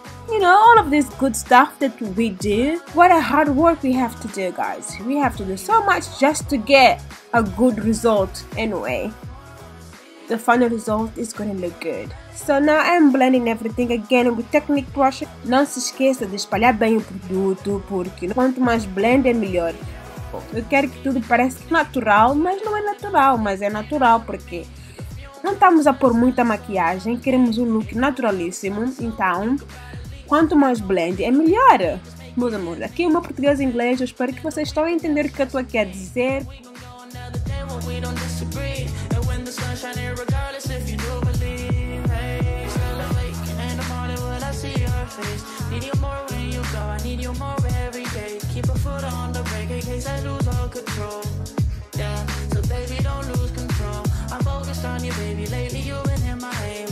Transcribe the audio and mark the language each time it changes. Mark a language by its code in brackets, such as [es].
[en] You know, all of this good stuff that we do. What a hard work we have to do, guys. We have to do so much just to get a good result anyway. The final result is going to look good. So now I'm blending everything again with Technic brush. [pt] Não se esqueça de espalhar bem o produto, porque quanto mais blend é melhor. Eu quero que tudo pareça natural, mas não é natural, mas é natural porque não estamos a pôr muita maquiagem, queremos um look naturalíssimo, então quanto mais blend é melhor, meus amores. Aqui é uma portuguesa e inglês, eu espero que vocês estão a entender o que eu estou aqui a dizer. [en] we don't disagree. And when the sun shines here, regardless if you do believe, hey, still awake in the morning when I see her face. Need you more when you go, I need you more every day. Keep a foot on the brake in case I lose all control. Yeah, so baby, don't lose control. I'm focused on you, baby, lately you've been in my aim.